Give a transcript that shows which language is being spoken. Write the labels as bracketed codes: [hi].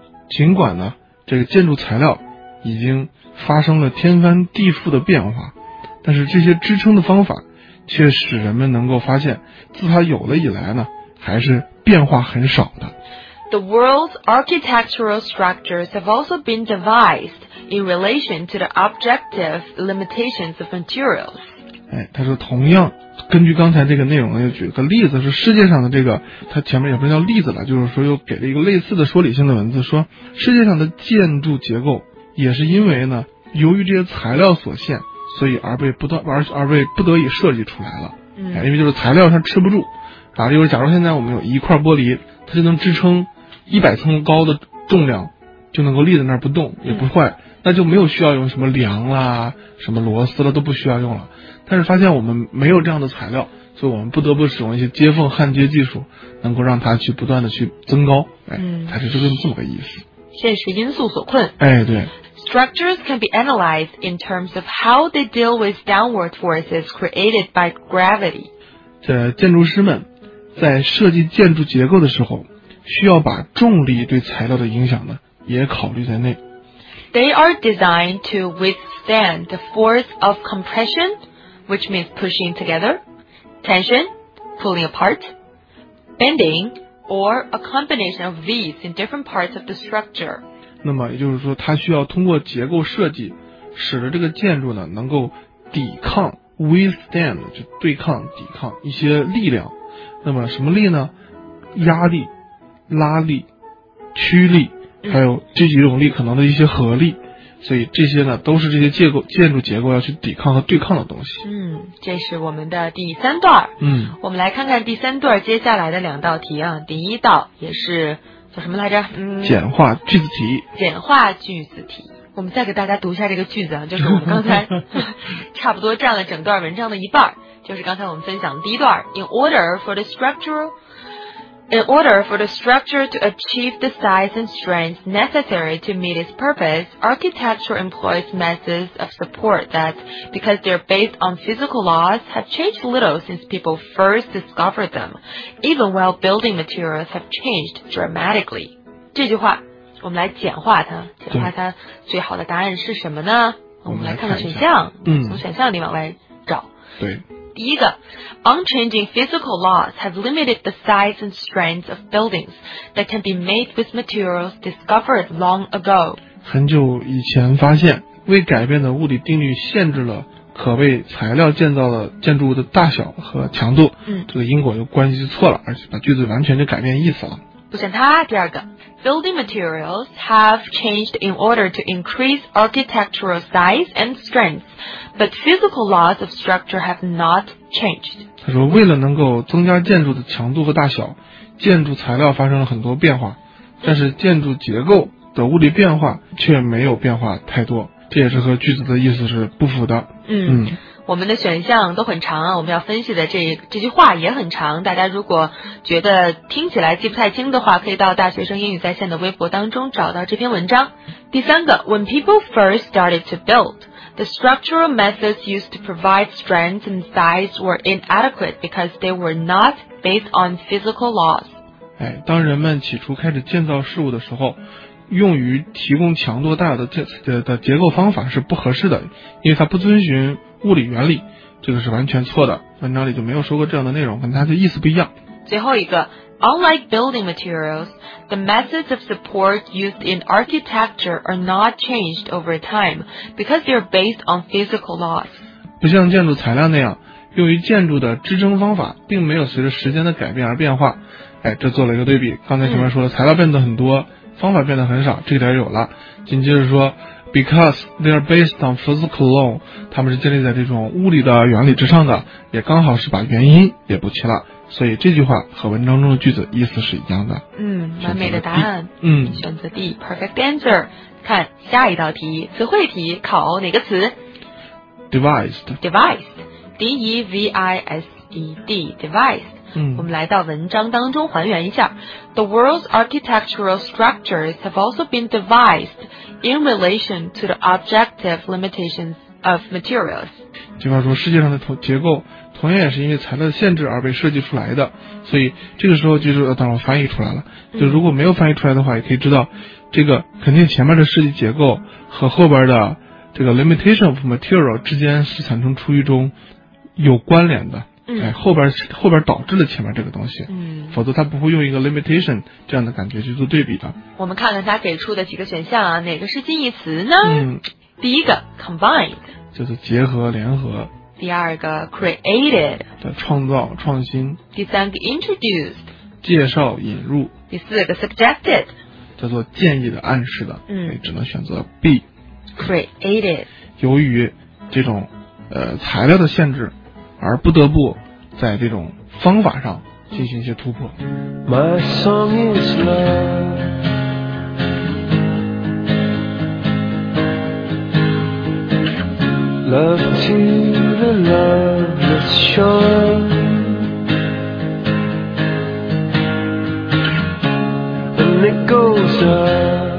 [zh] 尽管呢这个建筑材料已经发生了天翻地覆的变化，但是这些支撑的方法却使人们能够发现，自它有了以来呢还是变化很少的。 [en] The world's architectural structures have also been devised in relation to the objective limitations of materials. [zh] 哎，他说同样，根据刚才这个内容，又举个例子，是世界上的这个，他前面也不是叫例子了，就是说又给了一个类似的说理性的文字，说世界上的建筑结构也是因为呢，由于这些材料所限，所以而被不得已设计出来了。嗯，哎，因为就是材料它吃不住。啊，例如假如现在我们有一块玻璃，它就能支撑100层高的重量，就能够立在那儿不动也不坏，那就没有需要用什么梁啦、什么螺丝了，都不需要用了。但是发现我们没有这样的材料，所以我们不得不使用一些接缝焊接技术，能够让它去不断的去增高。哎，它是这么个意思。现实因素所困。哎，对。 [en] Structures can be analyzed in terms of how they deal with downward forces created by gravity. [zh] 这建筑师们在设计建筑结构的时候，需要把重力对材料的影响呢，也考虑在内。 [en] They are designed to withstand the force of compression, which means pushing together, tension, pulling apart, bending, or a combination of these in different parts of the structure. [zh] 那么也就是说，它需要通过结构设计，使得这个建筑呢，能够抵抗 withstand, 就对抗、抵抗一些力量。那么什么力呢？压力、拉力、驱力，还有这几种力可能的一些合力，所以这些呢都是这些建筑结构要去抵抗和对抗的东西。嗯，这是我们的第三段。嗯，我们来看看第三段接下来的两道题啊。第一道也是叫什么来着？简化句子题。简化句子题，我们再给大家读一下这个句子啊，就是我们刚才差不多占了整段文章的一半。就是刚才我们分享的第一段 [en] In order for the structure to achieve the size and strength necessary to meet its purpose, architecture employs methods of support that, because they're based on physical laws, have changed little since people first discovered them, even while building materials have changed dramatically. [zh] 这句话我们来简化它，简化它最好的答案是什么呢？我们来看看选项，嗯，从选项里往外找。对，第一个 [en] unchanging physical laws have limited the size and strength of buildings that can be made with materials discovered long ago. [zh] 很久以前发现，未改变的物理定律限制了可被材料建造的建筑物的大小和强度。嗯，这个因果就关系就错了，而且把句子完全就改变意思了。不选它。第二个 [en] building materials have changed in order to increase architectural size and strength, but physical laws of structure have not changed. [zh] 他说为了能够增加建筑的强度和大小，建筑材料发生了很多变化，但是建筑结构的物理变化却没有变化太多，这也是和句子的意思是不符的。我们的选项都很长，我们要分析的这句话也很长，大家如果觉得听起来记不太清的话，可以到大学生英语在线的微博当中找到这篇文章。第三个 [en] When people first started to build, the structural methods used to provide strength and size were inadequate because they were not based on physical laws. [zh] 哎，当人们起初开始建造事物的时候，用于提供强度大小的结构方法是不合适的，因为它不遵循物理原理，这个是完全错的。文章里就没有说过这样的内容，跟它的意思不一样。最后一个 [en] Unlike building materials, the methods of support used in architecture are not changed over time because they are based on physical laws. [zh] 不像建筑材料那样，用于建筑的支撑方法并没有随着时间的改变而变化。哎，这做了一个对比，刚才前面说的材料变得很多，方法变得很少，这点有了。紧接着说 [en] Because they are based on physical law, [zh] 他们是建立在这种物理的原理之上的，也刚好是把原因也补齐了，所以这句话和文章中的句子意思是一样的。嗯，完美的答案。嗯，选择 [en] D, perfect answer. [zh] 看下一道题，词汇题，考哪个词？ [en] Devised. Devised. D-E-V-I-S-E-D. Devised. [zh] 我们来到文章当中还原一下。 [en] The world's architectural structures have also been devised in relation to the objective limitations of materials. [zh] 这块说世界上的结构同样也是因为材料的限制而被设计出来的，所以这个时候就是当我翻译出来了，就如果没有翻译出来的话，也可以知道这个肯定前面的设计结构和后边的这个 [en] limitation of material [zh] 之间是产生出一种有关联的。嗯，哎，后边导致了前面这个东西，嗯，否则他不会用一个 limitation 这样的感觉去做对比的。我们看看他给出的几个选项啊，哪个是近义词呢？嗯，第一个 combined 就是结合联合，第二个 created 的创造创新，第三个 introduced 介绍引入，第四个 suggested 叫做建议的暗示的，嗯，只能选择 B [en] created。 [zh] 由于这种材料的限制而不得不在这种方法上进行一些突破。 [en] My song is love, love to the loveless shore, and it goes up.